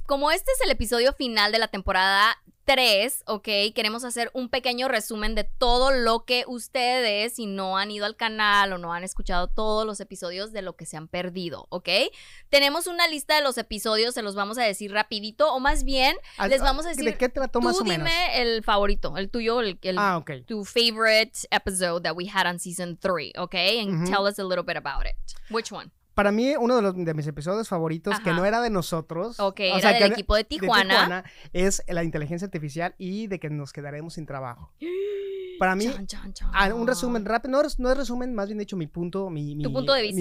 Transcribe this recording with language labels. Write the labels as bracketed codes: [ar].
[es] Como este es el episodio final de la temporada 3, ok, queremos hacer un pequeño resumen de todo lo que ustedes, si no han ido al canal o no han escuchado todos los episodios, de lo que se han perdido, ok. Tenemos una lista de los episodios, se los vamos a decir rapidito, o más bien, les vamos a decir. ¿De qué trató más o menos? Tú dime el favorito, el tuyo, el ah, ok. [en] Tu favorite episode that we had on season 3, ok, and uh-huh. Tell us a little bit about it. Which one? [es] Para mí, uno de, los, de mis episodios favoritos, ajá, que no era de nosotros. Ok, o era sea, del equipo de Tijuana. De Tijuana. Es la inteligencia artificial y de que nos quedaremos sin trabajo. Para mí, John. Un resumen rápido, no, no es resumen, más bien dicho, mi punto. Mi, tu punto de vista.